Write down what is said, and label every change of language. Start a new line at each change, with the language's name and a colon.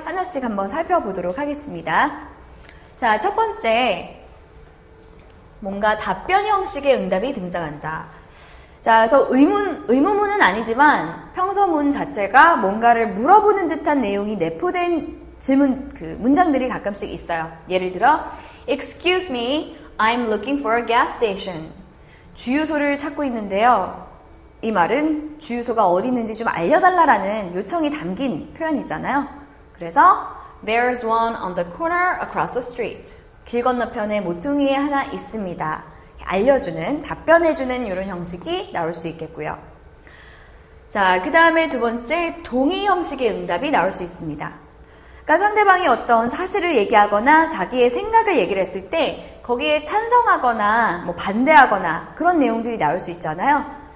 Korean: 하나씩 한번 살펴보도록 하겠습니다. 자, 첫 번째, 뭔가 답변 형식의 응답이 등장한다. 자, 그래서 의무문은 아니지만 평서문 자체가 뭔가를 물어보는 듯한 내용이 내포된 질문, 그 문장들이 가끔씩 있어요. 예를 들어,
English: Excuse me, I'm looking for a gas station.
Korean: 주유소를 찾고 있는데요. 이 말은 주유소가 어디 있는지 좀 알려달라라는 요청이 담긴 표현이잖아요. 그래서
English: There's one on the corner across the street.
Korean: 길 건너편에 모퉁이에 하나 있습니다. 알려주는, 답변해주는 이런 형식이 나올 수 있겠고요. 자, 그 다음에 두 번째, 동의 형식의 응답이 나올 수 있습니다. 그러니까 상대방이 어떤 사실을 얘기하거나 자기의 생각을 얘기를 했을 때 거기에 찬성하거나 뭐 반대하거나 그런 내용들이 나올 수 있잖아요.